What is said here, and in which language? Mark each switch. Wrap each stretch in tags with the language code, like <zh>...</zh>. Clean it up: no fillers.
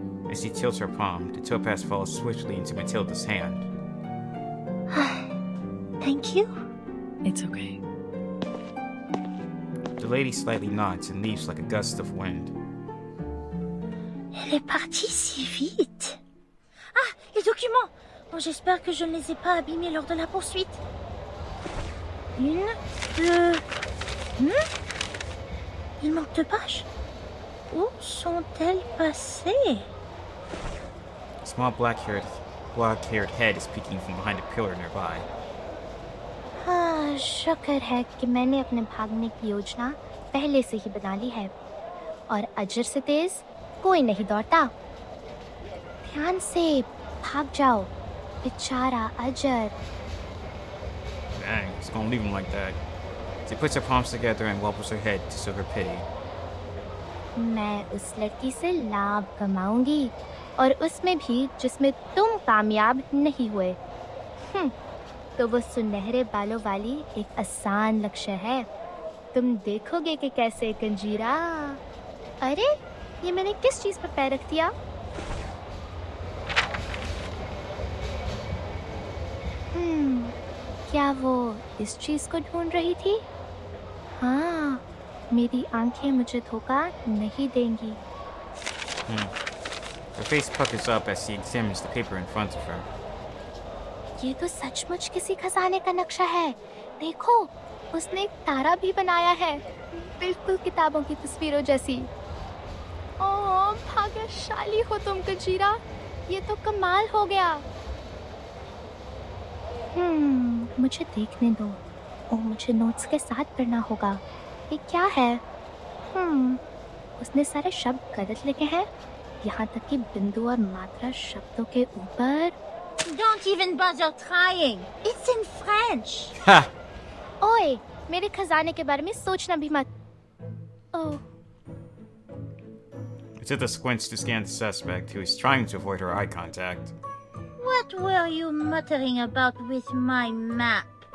<en>As she tilts her palm, the topaz falls swiftly into Matilda's hand. Thank you. It's okay. The lady slightly nods and leaves like a gust of wind.</en> <fr>Elle est partie si vite. Ah, les documents! Bon, j'espère que je ne les ai pas abîmés lors de la poursuite. Une, deux, hmm? Il manque deux pages. Où sont-elles passées?</fr> <en>A small black-haired head is peeking from behind a pillar nearby.</en> <hi>हाँ, शुक्र है कि मैंने अपने भागने की योजना पहले से ही बना ली है और अजर से तेज कोई नहीं दौड़ता। ध्यान से भाग जाओ, बेचारा अजर।</hi> <en>Dang, it's gonna leave him like that. She puts her palms together and wobbles her head to show her pity.</en> <hi>मैं उस लड़की से लाभ कमाऊंगी और उसमें भी जिसमें तुम कामयाब नहीं हुए। तो वो सुनहरे बालों वाली एक आसान लक्ष्य है। तुम देखोगे कि कैसे कंजीरा। अरे, ये मैंने किस चीज़ पर पैर रख दिया? क्या वो इस चीज़ को ढूंढ रही थी? हाँ, मेरी आंखें मुझे धोखा नहीं देंगी।</hi> <en>Her face puckers up as she examines the paper in front of her.</en> <hi>ये तो सचमुच किसी खजाने का नक्शा है। देखो, उसने एक तारा भी बनाया है, बिल्कुल किताबों की तस्वीरों जैसी। ओह, भाग्यशाली हो तुम कजीरा, ये तो कमाल हो गया। मुझे देखने दो। ओह, मुझे नोट्स के साथ पढ़ना होगा। ये क्या है? उसने सारे शब्द गलत लिखे हैं, यहाँ तक कि बिंदु और मात्रा शब्दों के ऊपर।</hi> <en>Don't even bother trying. It's in French. Ha!</en> <hi>Oi, mere khazane ke bare mein sochna bhi mat.</hi> <en>Oh. It's at the squint to scan the suspect, who is trying to avoid her eye contact. What were you muttering about with my map?</en>